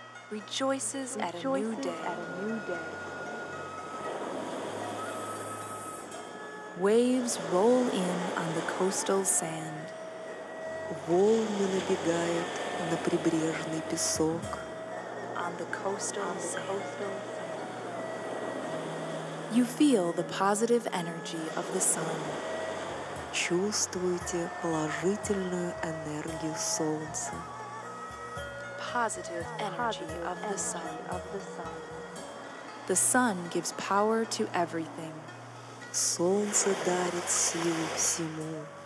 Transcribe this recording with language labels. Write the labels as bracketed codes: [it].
[en] Rejoices at a new day. At a new day. Waves roll in on the coastal sand. [ru] Волны набегают на прибрежный песок. [en] On the coastal, on the coastal. You feel the positive energy of the sun. [ru] Чувствуете положительную энергию солнца. [en] Positive energy of the sun. Of the sun. The sun gives power to everything. [ru] Солнце дарит силу всему.